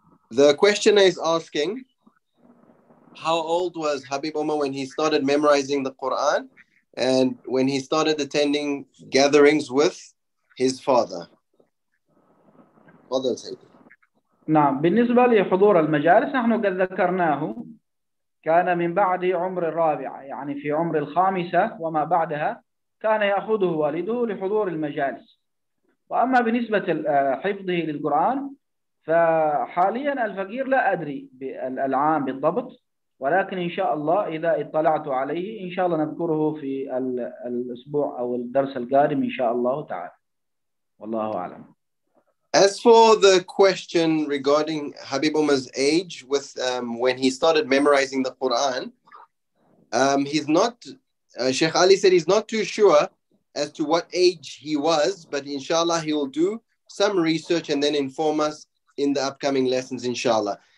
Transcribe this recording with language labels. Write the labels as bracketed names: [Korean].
[English] The question is asking, how old was Ḥabīb ʿUmar when he started memorizing the Quran and when he started attending gatherings with his father? Father سيدي. [Arabic] نعم بالنسبة لحضور المجالس نحن قد ذكرناه كان من بعد عمر الرابعة يعني في عمر الخامسة وما بعدها. كان يأخذه والده لحضور المجالس وأما بالنسبة لحفظه للقرآن فحاليا الفقير لا أدري بالعام بالضبط ولكن إن شاء الله إذا اطلعت عليه إن شاء الله نذكره في الأسبوع أو الدرس القادم إن شاء الله تعالى والله أعلم [English] As for the question regarding Ḥabīb ʿUmar's age with when he started memorizing the Quran He's not, Sheikh Ali said he's not too sure as to what age he was, but inshallah he will do some research and then inform us in the upcoming lessons, inshallah.